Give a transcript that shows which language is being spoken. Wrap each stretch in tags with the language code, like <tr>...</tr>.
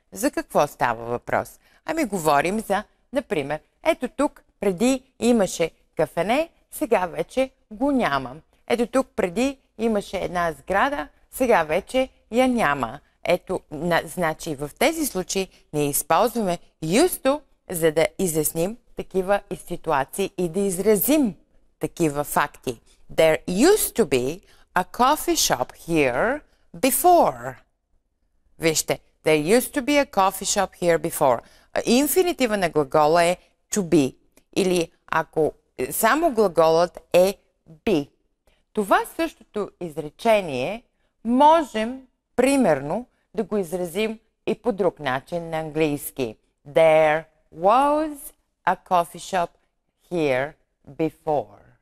<bg>За какво става въпрос? Ами говорим за, например, ето тук преди имаше кафене, сега вече го няма. Ето тук преди имаше една сграда, сега вече я няма. Ето, значи в тези случаи ние използваме used to, за да изясним такива и ситуации и да изразим такива факти.</bg> <en>There used to be a coffee shop here before.</en> <bg>Вижте,</bg> <en>there used to be a coffee shop here before.</en> <bg>Инфинитива на глагола е to be. Или ако само глаголът е be. Това същото изречение можем, примерно, да го изразим и по друг начин на английски.</bg> <en>There was a coffee shop here before.</en>